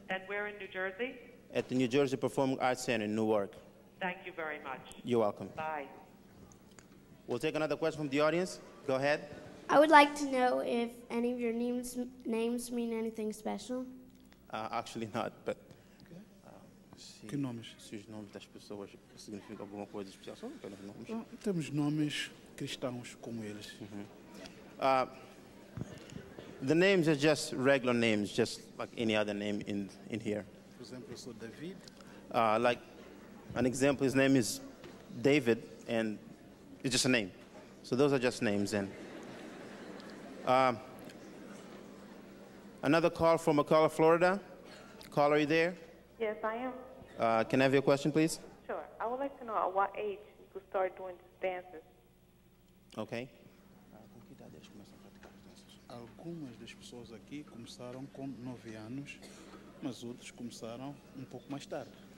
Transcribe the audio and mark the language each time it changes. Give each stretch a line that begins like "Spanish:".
English: And where in New Jersey? At the New Jersey Performing Arts Center in Newark. Thank you very much. You're welcome. Bye. We'll take another question from the audience. Go ahead. I would like to know if any of your names mean anything special. Actually not, but...
Portuguese: Que nomes? Se os nomes das pessoas significam alguma coisa especial, só pelos nomes. Temos nomes cristãos como eles.
English: The names are just regular names, just like any other name in here. For example, so David. Like an example, his name is David, and it's just a name. So those are just names. And another call from McCullough, Florida. Caller, are you there? Yes, I am. Can I have your question, please? Sure. I would like to know at what age you could start doing these dances. Okay.
Portuguese: Algumas das pessoas aqui começaram com 9 anos, mas outros começaram um pouco mais tarde.